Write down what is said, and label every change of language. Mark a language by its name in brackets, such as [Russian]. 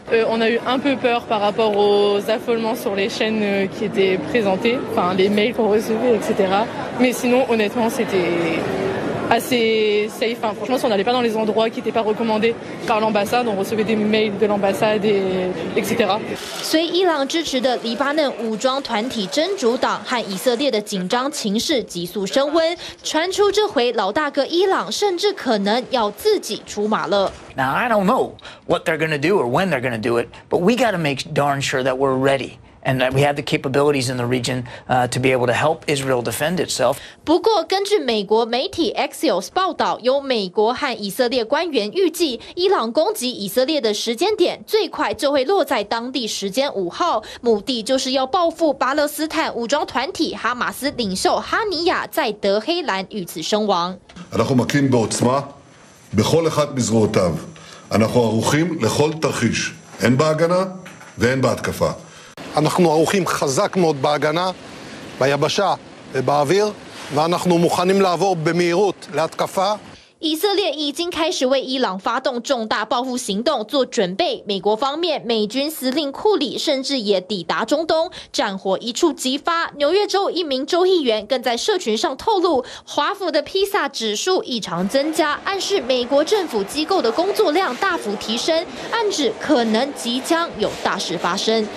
[French] On a eu un peu peur par rapport aux affolements sur les chaînes qui étaient présentées, enfin les mails qu'on recevait, etc. Mais sinon, honnêtement, c'était assez safe. Enfin, franchement, si on n'allait pas dans les endroits qui n'étaient pas recommandés par l'ambassade, on recevait des mails de l'ambassade, etc. [Chinese] 随伊朗支持的黎巴嫩武装团体真主党和以色列的紧张情势急速升温，传出这回老大哥伊朗甚至可能要自己出马了。 [English] Now I don't know what they're going to do or when they're going to do it, but we got to make darn sure that we're ready. And that we have the capabilities in the region to be able to help Israel defend itself. [Chinese] 不过，根据美国媒体 Axios 报道，有美国和以色列官员预计，伊朗攻击以色列的时间点最快就会落在当地时间五号，目的就是要报复巴勒斯坦武装团体哈马斯领袖哈尼亚在德黑兰遇刺身亡。 [Hebrew] אנחנו מכים בעוצמה בכל אחד מזרועותיו. אנחנו ערוכים לכל תרחיש, אין בהגנה ואין בהתקפה. אנחנו ערוכים חזק מאוד בהגנה, ביבשה ובאוויר, ואנחנו מוכנים לעבור במהירות להתקפה. [Chinese] 以色列已经开始为伊朗发动重大报复行动做准备。美国方面，美军司令库里甚至也抵达中东，战火一触即发。纽约州一名州议员更在社群上透露，华府的披萨指数异常增加，暗示美国政府机构的工作量大幅提升，暗指可能即将有大事发生。